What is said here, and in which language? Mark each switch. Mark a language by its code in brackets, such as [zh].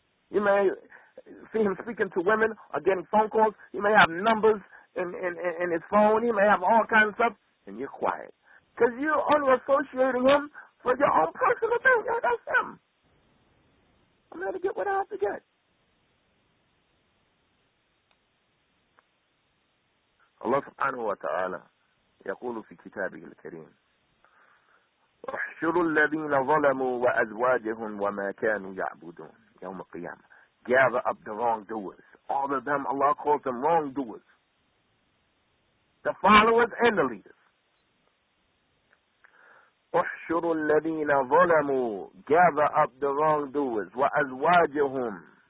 [en] You may see him speaking to women or getting phone calls. He may have numbers in his phone. He may have all kinds of stuff, and you're quiet. Because you're unassociating him for your own personal thing. Yeah, that's him. I'm going to get what I have to get. [ar] Allah subhanahu wa ta'ala yaqulu fi kitabihi al-kareem احشروا الذين ظلموا وأزواجهم وما كانوا يعبدون يوم القيامة. [en] Gather up the wrongdoers. All of them, Allah calls them wrongdoers. The followers and the leaders. [ar] احشروا الذين ظلموا. [en] Gather up the wrongdoers. [ar] وأزواجهم.